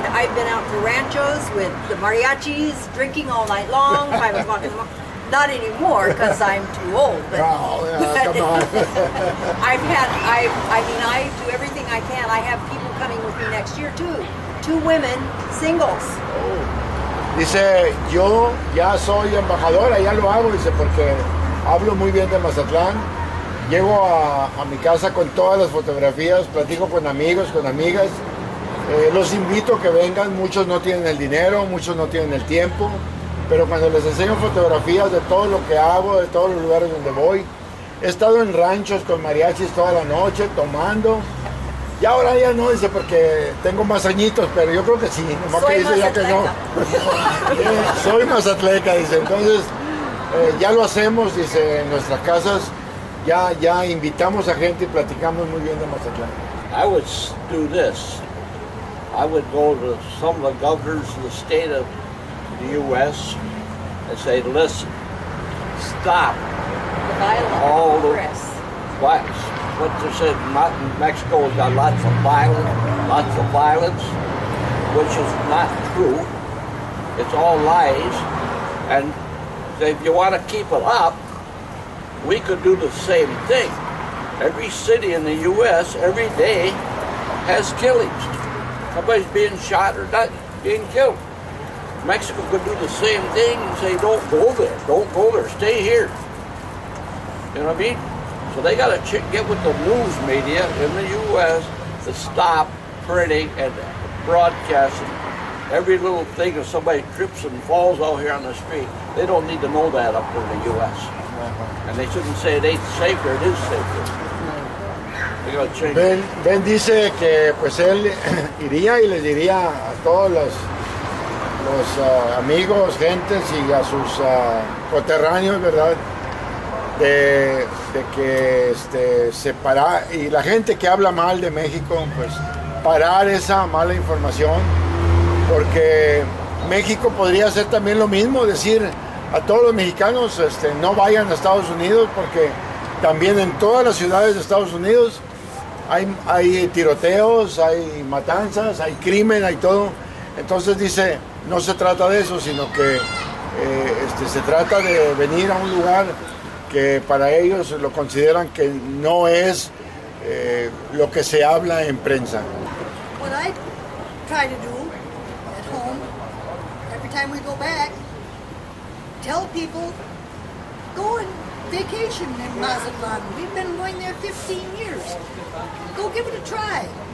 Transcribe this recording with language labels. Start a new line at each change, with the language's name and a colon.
English: I've been out to ranchos with the mariachis, drinking all night long, 5 o'clock in the morning. Not anymore, because I'm too old. I do everything I can. I have people coming with me next year, too. Two women, singles.
Spanish: Dice, yo ya soy embajadora, ya lo hago, dice, porque hablo muy bien de Mazatlán. Llego a mi casa con todas las fotografías, platico con amigos, con amigas. Los invito a que vengan, muchos no tienen el dinero, muchos no tienen el tiempo, pero cuando les enseño fotografías de todo lo que hago, de todos los lugares donde voy, he estado en ranchos con mariachis toda la noche, tomando. Y ahora ya no, dice, porque tengo más añitos, pero yo creo que sí, nomás soy que dice ya que no. Soy más atleta, dice. Entonces, ya lo hacemos, dice, en nuestras casas. Ya invitamos a gente y platicamos muy bien de Mazatlán.
English: I would do this. I would go to some of the governors of the state of the U.S. and say, listen, stop the violence. All the press. What they said, Mexico has got lots of violence, which is not true. It's all lies. And say, if you want to keep it up, we could do the same thing. Every city in the U.S. every day has killings. Somebody's being shot or not being killed. Mexico could do the same thing and say, don't go there. Don't go there. Stay here. You know what I mean? So they got to get with the news media in the U.S. to stop printing and broadcasting every little thing. If somebody trips and falls out here on the street, they don't need to know that up in the U.S. And they shouldn't say it ain't safer. It is safer. They got to change.
Spanish: Ben dice que pues él iría y les diría a todos los amigos, gentes y a sus coterráneos, ¿verdad? De que se para, y la gente que habla mal de México, pues parar esa mala información, porque México podría hacer también lo mismo, decir a todos los mexicanos no vayan a Estados Unidos, porque también en todas las ciudades de Estados Unidos hay tiroteos, hay matanzas, hay crimen, hay todo. Entonces dice, no se trata de eso, sino que se trata de venir a un lugar que para ellos lo consideran que no es lo que se habla en prensa.
English: What I try to do at home, every time we go back, tell people, go on vacation in Mazatlán. We've been going there 15 years. Go give it a try.